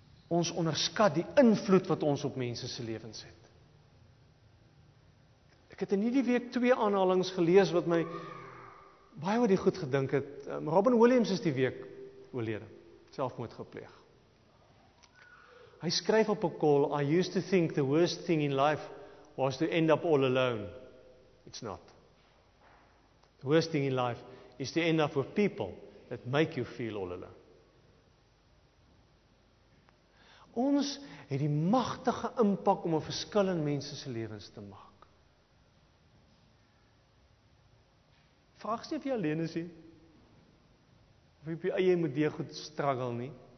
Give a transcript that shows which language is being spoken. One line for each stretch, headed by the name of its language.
Afrikaans: Ons onderskat die invloed wat ons op mense se lewens het. Ek het in hierdie week 2 aanhalings gelees wat my baie oor die goed gedink het. Robin Williams is die week oorlede, selfmoord gepleeg. Hy skryf op 'n call,
English: I used to think the worst thing in life was to end up all alone. It's not. The worst thing in life is to end up with people that make you feel all alone.
Afrikaans: Ons het die magtige impak om 'n verskil in mense se lewens te maak. Vraag sê of jy alleen is nie. Of jy op jy eie moet deur goed struggle nie.